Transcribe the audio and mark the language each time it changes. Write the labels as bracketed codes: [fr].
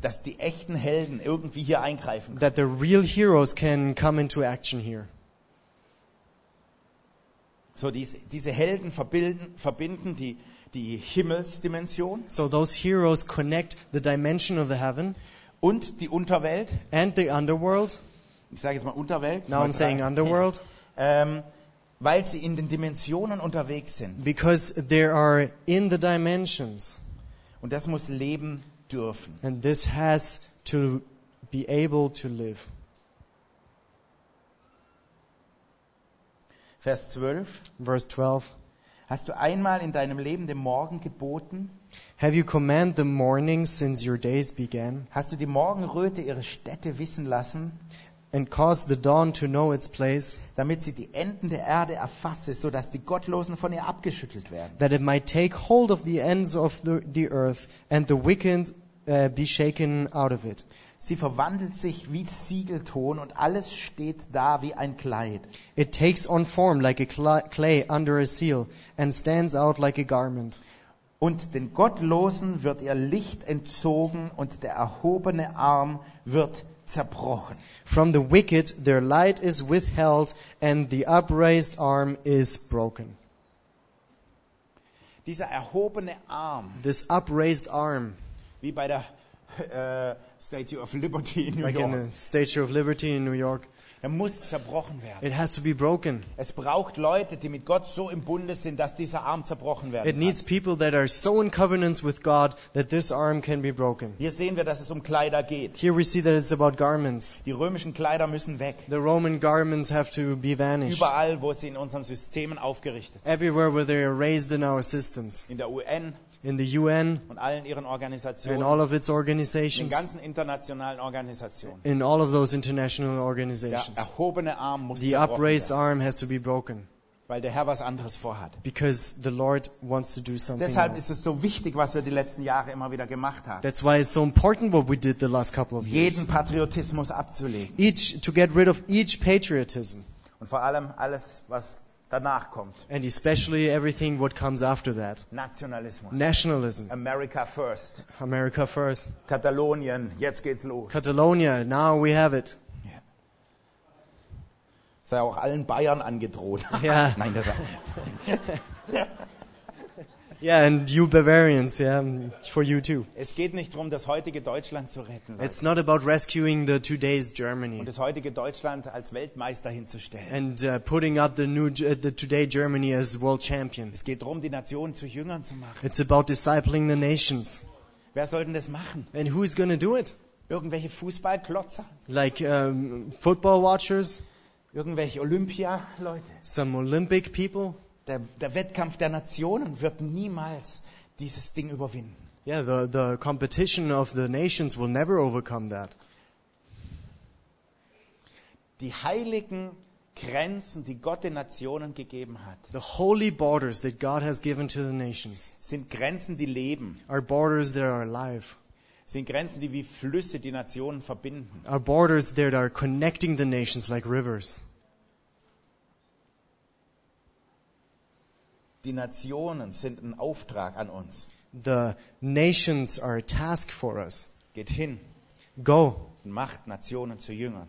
[de] Dass die echten Helden irgendwie hier eingreifen können. [en] That the real heroes can come into action here. [de] So diese Helden verbinden die Himmelsdimension. [en] So those heroes connect the dimension of the heaven [de] und die Unterwelt [en] and the underworld. [de] Ich sage jetzt mal Unterwelt. [en] Now I'm saying underworld. [de] Weil sie in den Dimensionen unterwegs sind. [en] Because they are in the dimensions. [de] Und das muss leben dürfen. [en] And this has to be able to live. [de] Vers 12. [en] Verse 12. [de] Hast du einmal in deinem Leben den Morgen geboten? [en] Have you commanded the morning since your days began? [de] Hast du die Morgenröte ihre Stätte wissen lassen? [en] And caused the dawn to know its place? [de] Damit sie die Enden der Erde erfasse, so dass die Gottlosen von ihr abgeschüttelt werden. [en] That it might take hold of the ends of the earth and the wicked be shaken out of it. [de] Sie verwandelt sich wie Siegelton und alles steht da wie ein Kleid. [en] It takes on form like a clay under a seal and stands out like a garment. [de] Und den Gottlosen wird ihr Licht entzogen und der erhobene Arm wird zerbrochen. [en] From the wicked their light is withheld and the upraised arm is broken. [de] Dieser erhobene Arm. [en] This upraised arm. [de] Wie bei der Statue of Liberty in New [en] like York. In the Statue of Liberty in New York. [de] Er muss zerbrochen werden. [en] It has to be broken. [de] Es braucht Leute, die mit Gott so im Bunde sind, dass dieser Arm zerbrochen werden [en] kann. It needs people that are so in covenants with God that this arm can be broken. [de] Hier sehen wir, dass es um Kleider geht. [en] Here we see that it's about garments. [de] Die römischen Kleider müssen weg. [en] The Roman garments have to be vanished. [de] Überall, wo sie in unseren Systemen aufgerichtet sind. [en] Everywhere where they are raised in our systems. [de] In der UN. [en] In the UN [de] und allen ihren Organisationen, [en] in all of its organizations, [de] den ganzen internationalen Organisationen, [en] in all of those international organizations, [de] der erhobene Arm muss [en] the upraised arm has to be broken, [de] weil der Herr was anderes vorhat. [en] Because the Lord wants to do something. [de] Deshalb ist es so wichtig, was wir die letzten Jahre immer wieder gemacht haben. [en] That's why it's so important what we did the last couple of years. [de] Jeden Patriotismus abzulegen. [en] To get rid of each patriotism. [de] Und vor allem alles, was danach kommt. [en] And especially everything what comes after that. [de] Nationalismus. [en] Nationalism. America first. America first. [de] Katalonien, jetzt geht's los. [en] Catalonia, now we have it. Yeah. [de] Sei auch allen Bayern angedroht. [en] Yeah. [de] Nein, das auch. [en] Yeah, and you Bavarians, yeah, for you too. [de] Es geht nicht darum, das heutige Deutschland zu retten. [en] It's not about rescuing the today's Germany. [de] Und das heutige Deutschland als Weltmeister hinzustellen. [en] And putting up the today Germany as world champion. [de] Es geht darum, die Nationen zu Jüngern zu machen. [en] It's about discipling the nations. [de] Wer soll denn das machen? [en] And who is going to do it? [de] Irgendwelche Fußballklotzer? [en] Like football watchers? [de] Irgendwelche Olympia-Leute? [en] Some Olympic people? [de] Der Wettkampf der Nationen wird niemals dieses Ding überwinden. [en] Yeah, the competition of the nations will never overcome that. [de] Die heiligen Grenzen, die Gott den Nationen gegeben hat. [en] The holy borders that God has given to the nations. [de] Sind Grenzen, die leben. [en] Are borders that are alive. [de] Sind Grenzen, die wie Flüsse die Nationen verbinden. [en] Are borders that are connecting the nations like rivers. [de] Die Nationen sind ein Auftrag an uns. [en] The nations are a task for us. [de] Geht hin. [en] Go. [de] Und macht Nationen zu Jüngern.